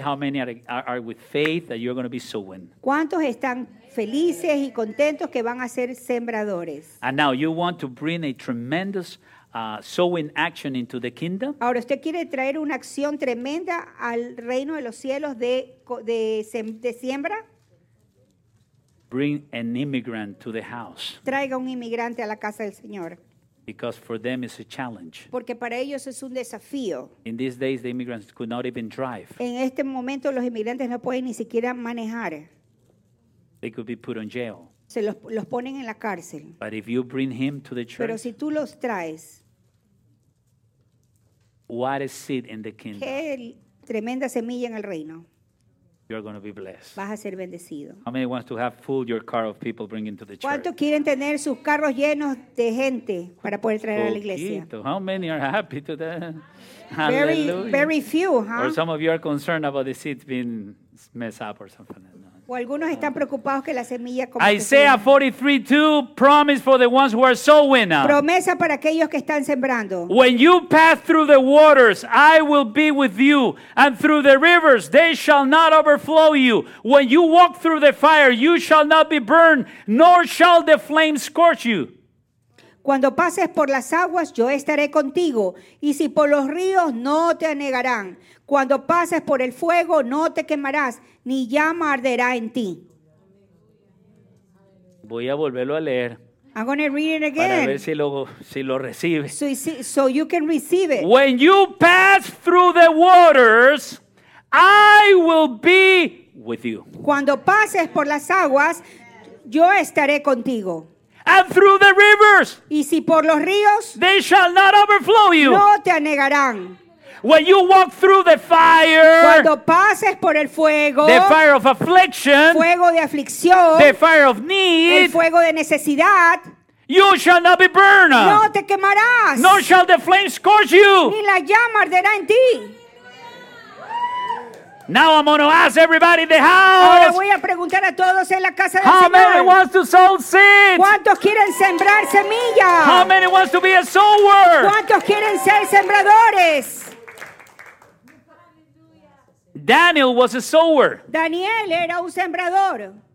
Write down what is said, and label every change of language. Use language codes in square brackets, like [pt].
[en] How many are with faith that you're going to be sowing? [es] ¿Cuántos están felices y contentos que van a ser sembradores? [en] And now you want to bring a tremendous sowing action into the kingdom? [es] Ahora usted quiere traer una acción tremenda al reino de los cielos de siembra? [en] Bring an immigrant to the house. [es] Traiga un inmigrante a la casa del Señor. [en] Because for them it's a challenge. [es] Porque para ellos es un desafío. [en] In these days the immigrants could not even drive. [es] En este momento los inmigrantes no pueden ni siquiera manejar. [en] They could be put in jail. [es] Se los ponen en la cárcel. [en] But if you bring him to the church. [es] Pero si tú los traes. [en] What a seed in the kingdom. [es] Qué tremenda semilla en el reino. [en] You're going to be blessed. [es] Vas a ser bendecido. [en] How many wants to have full your car of people bringing to the church? [es] ¿Cuántos quieren tener sus carros llenos de gente para poder traer a la iglesia? [en] How many are happy to that? Very, very few, huh? Or some of you are concerned about the seeds being messed up or something. No. [es] O algunos están preocupados que la semilla. [en] Isaiah 43:2, promise for the ones who are sowing. [es] Promesa para aquellos que están sembrando. [en] When you pass through the waters, I will be with you, and through the rivers, they shall not overflow you. When you walk through the fire, you shall not be burned, nor shall the flame scorch you. [es] Cuando pases por las aguas, yo estaré contigo, y si por los ríos, no te anegarán. Cuando pases por el fuego, no te quemarás, ni llama arderá en ti. Voy a volverlo a leer. [en] I'm going to read it again. [es] Para ver si lo recibe. [en] So you can receive it. When you pass through the waters, I will be with you. [es] Cuando pases por las aguas, yo estaré contigo. [en] And through the rivers, [es] y si por los ríos, [en] they shall not overflow you. [es] No te anegarán. [en] When you walk through the fire, [es] cuando pases por el fuego, [en] the fire of affliction, [es] fuego de aflicción, [en] the fire of need, [es] el fuego de necesidad, [en] you shall not be burned. [es] No te quemarás. [en] Nor shall the flame scorch you. [es] Ni la llama arderá en ti. [en] Now I'm going to ask everybody in the house. [es] Ahora voy a preguntar a todos en la casa del [en] how [es] Señor. [en] How many wants to sow seeds? [es] ¿Cuántos quieren sembrar semillas? [en] How many wants to be a sower? [es] ¿Cuántos quieren ser sembradores? [en] Daniel was a sower. [es] Daniel era un sembrador.